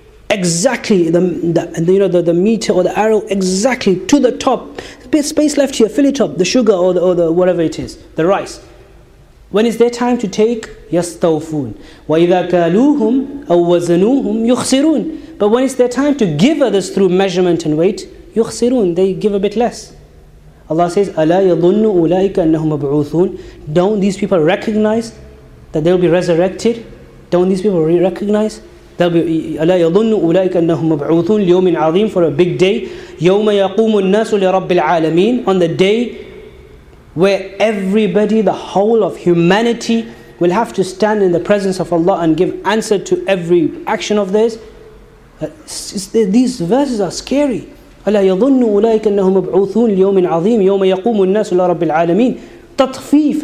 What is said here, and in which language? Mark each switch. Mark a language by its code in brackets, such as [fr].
[en] Exactly the you know, the meter or the arrow, exactly to the top. There's space left here, fill it up, the sugar or the whatever it is, the rice. When is their time to take? [ar] يستوفون. وَإِذَا كَالُوهُمْ أَوْ وَزَنُوهُمْ يُخْسِرُونَ. [en] But when is their time to give others through measurement and weight? [ar] يُخْسِرُونَ. [en] They give a bit less. [ar] Allah says, أَلَا يَظُنُّ أُولَٰئِكَ أَنَّهُمْ مَبْعُوثُونَ. [en] Don't these people recognize that they'll be resurrected? Don't these people recognize? [ar] أَلَا يَظُنُّ أُولَٰئِكَ أَنَّهُمْ مَبْعُوثُونَ لِيَوْمٍ عَظِيمٍ, [en] for a big day. [ar] يَوْمَ يَقُومُ النَّاسُ لِرَبِّ الْعَالَمِينَ. [en] On the day where everybody, the whole of humanity, will have to stand in the presence of Allah and give answer to every action of theirs. These verses are scary. [ar] أَلَا يَظُنُّ أُولَٰئِكَ أَنَّهُمْ مَبْعُوثُونَ لِيَوْمٍ عَظِيمٍ يَوْمَ يَقُومُ النَّاسُ لِرَبِّ الْعَالَمِينَ. تَطْفِيف.